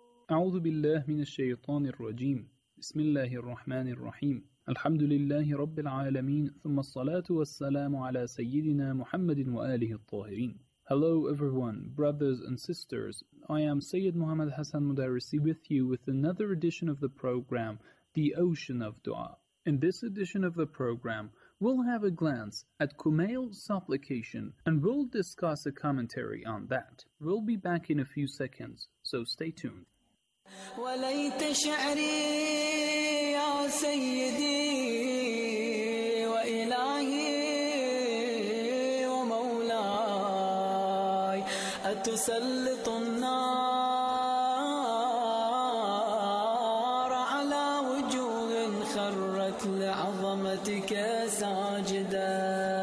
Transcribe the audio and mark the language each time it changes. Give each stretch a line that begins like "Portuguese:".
Arabic: أعوذ بالله من الشيطان الرجيم بسم الله الرحمن الرحيم الحمد لله رب العالمين ثم الصلاة والسلام على سيدنا محمد وآله الطاهرين
English: Hello everyone, brothers and sisters. I am Sayyid Muhammad Hassan Mudarrisi with you with another edition of the program, The Ocean of Dua. In this edition of the program, we'll have a glance at Kumail's supplication and we'll discuss a commentary on that. We'll be back in a few seconds, so stay tuned.
Arabic: وليت شعري يا سيدي وإلهي ومولاي أتسلط النار على وجوه خرت لعظمتك ساجدا